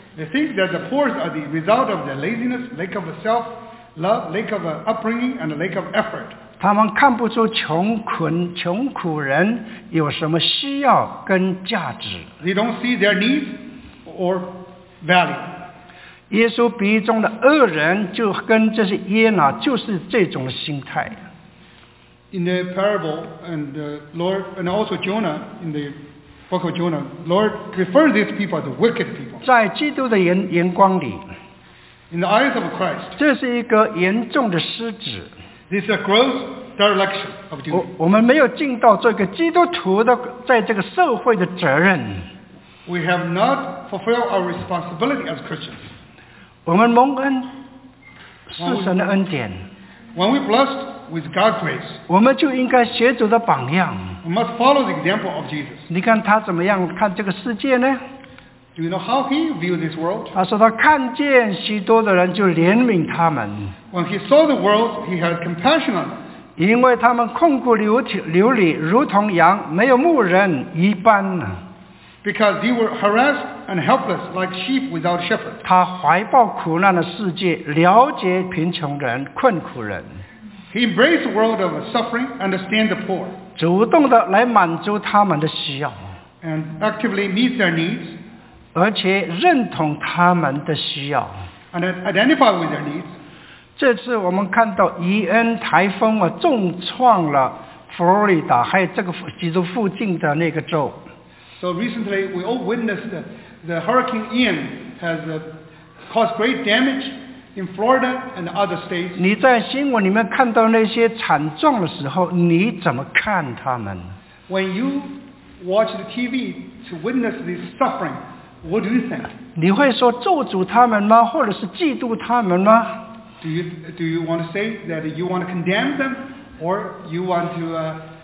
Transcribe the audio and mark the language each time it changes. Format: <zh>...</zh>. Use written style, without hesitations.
<en>They think that the poor are the result of their laziness, lack of self-love, lack of upbringing, and lack of effort.</en> <zh>他们看不出穷苦人有什么需要跟价值。</zh> <en>They don't see their needs or value.</en> <zh>耶稣比喻中的恶人就跟这些耶拿就是这种心态。</zh> <en>In the parable and the Lord and also Jonah in the book of Jonah, Lord refers these people as wicked people.</en> <zh>在基督的眼光里</zh> <en>，In the eyes of Christ,</en> <zh>这是一个严重的失职。</zh> <en>This is a gross dereliction of duty.</en> <zh>我们没有尽到这个基督徒的在这个社会的责任。</zh> <en>We have not fulfilled our responsibility as Christians.</en> <zh>我们蒙恩是神的恩典。</zh> <en>When we blessed with God's grace,</en> <zh>我们就应该学主的榜样。</zh> <en>We must follow the example of Jesus.</en> <zh>你看他怎么样看这个世界呢？</zh> <en>Do you know how he viewed this world?</en> <zh>他说他看见许多的人就怜悯他们。</zh> <en>When he saw the world, he had compassion on them.</en> <zh>因为他们困苦流离，如同羊，没有牧人一般。</zh> <en>Because they were harassed and helpless, like sheep without shepherd.</en> <zh>他怀抱苦难的世界，了解贫穷人、困苦人。</zh> <en>He embraced the world of suffering, understand the poor.</en> <zh>主动的来满足他们的需要。</zh> <en>And actively meet their needs.</en> <zh>而且认同他们的需要。</zh> <en>And identify with their needs.</en> <zh>这次我们看到伊恩台风啊，重创了佛罗里达，还有这个基督附近的那个州。</zh> <en>So recently, we all witnessed the Hurricane Ian has caused great damage in Florida and other states.</en> <zh>你在新闻里面看到那些惨状的时候，你怎么看他们</zh> <en>？When you watch the TV to witness this suffering. What do you think?</en> <zh>你会说咒诅他们吗？或者是嫉妒他们吗</zh> <en>？Do you want to say that you want to condemn them, or you want to</en>